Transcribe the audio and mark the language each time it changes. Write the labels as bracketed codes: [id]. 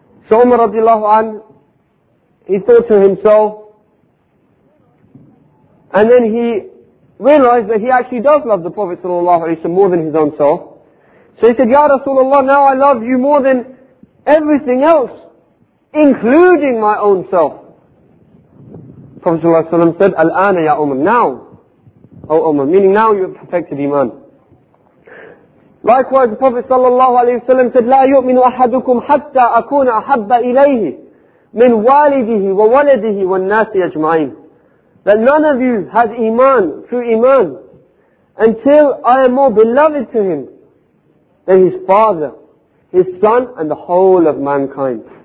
[en] So Umar radiallahu an, he thought to himself, and then he realized that he actually does love the Prophet sallallahu alayhi wa sallam more than his own self. So he said, Ya Rasulullah, now I love you more than everything else, including my own self. Prophet sallallahu alayhi wa sallam said, Al-ana ya Umar, now, O Umar, meaning now you have perfected Iman. Likewise, the Prophet sallallahu alayhi wa sallam said, [ar] لا يؤمن أحدكم حتى أكون أحب إليه من والده وولده والناس أجمعين. [en] That none of you has iman, true iman, until I am more beloved to him than his father, his son, and the whole of mankind.